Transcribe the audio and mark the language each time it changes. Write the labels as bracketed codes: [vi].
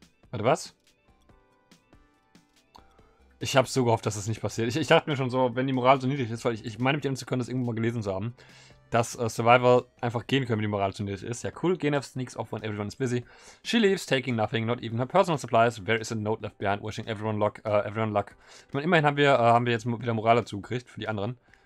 [de] Warte, was? Ich habe so gehofft, dass das nicht passiert. Ich dachte mir schon so, wenn die Moral so niedrig ist, weil ich meine, mit dem zu können, das irgendwo mal gelesen zu haben, dass Survivor einfach gehen können, wenn die Moral so niedrig ist. Ja, cool. [en] GNF sneaks off when everyone is busy. She leaves, taking nothing, not even her personal supplies. There is a note left behind, wishing everyone luck. [de] Ich meine, immerhin haben wir jetzt wieder Moral dazu gekriegt für die anderen.